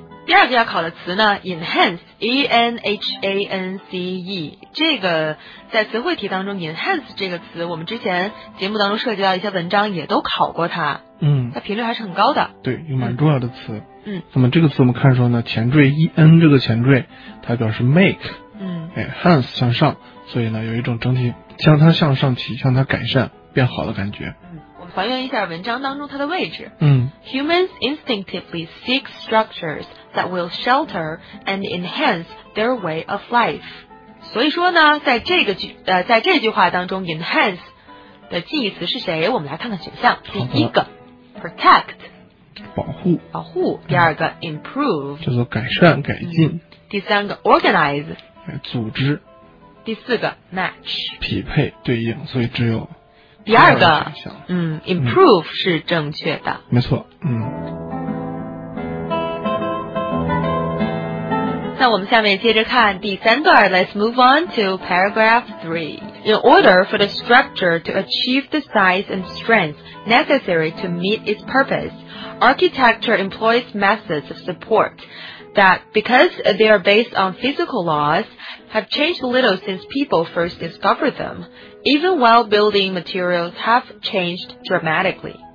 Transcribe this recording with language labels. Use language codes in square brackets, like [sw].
[zh] 第二个要考的词呢 enhance E N H A N C E， 这个在词汇题当中 enhance 这个词我们之前节目当中涉及到一些文章也都考过它。它频率还是很高的。对，一个蛮重要的词。那么这个词我们看说呢前缀 E N 这个前缀它表示 make。 Hands 向上，所以呢有一种整体向它向上提，向它改善变好的感觉。我们还原一下文章当中它的位置。 [en] Humans instinctively seek structures that will shelter and enhance their way of life。 [zh] 所以说呢在这句话当中 enhance 的近义词是谁，我们来看看选项。第一个 protect，保护。第二个 improve，叫做改善改进。第三个 organize，组织。第四个 match，匹配对应，所以只有第二个。improve 是正确的，没错。那我们下面接着看第三段。 [en] Let's move on to paragraph 3. In order for the structure to achieve the size and strength necessary to meet its purpose, architecture employs methods of supportthat, because they are based on physical laws, have changed little since people first discovered them, even while building materials have changed dramatically.